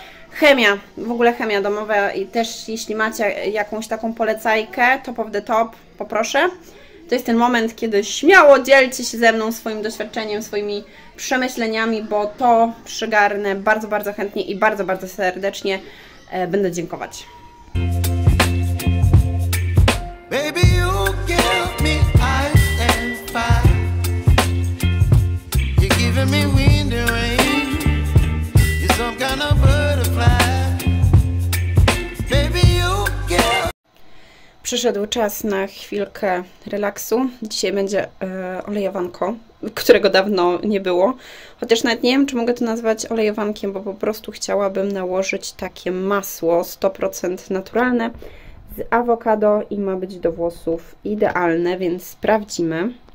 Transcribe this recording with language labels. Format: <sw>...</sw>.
<pl>Chemia, w ogóle chemia domowa i też jeśli macie jakąś taką polecajkę,</pl> <en>top of the top,</en> <pl>poproszę. To jest ten moment, kiedy śmiało dzielcie się ze mną swoim doświadczeniem, swoimi przemyśleniami, bo to przygarnę bardzo, bardzo chętnie i bardzo, bardzo serdecznie będę dziękować.</pl> <en>Baby, you give me ice and fire. You're giving me wind and rain. You're some kind of butterfly. Baby, you give.</en> <pl>Przyszedł czas na chwilkę relaksu. Dzisiaj będzie olejowanko, którego dawno nie było. Chociaż nawet nie wiem, czy mogę to nazwać olejowankiem, bo po prostu chciałabym nałożyć takie masło 100% naturalne z awokado i ma być do włosów idealne, więc sprawdzimy.</pl>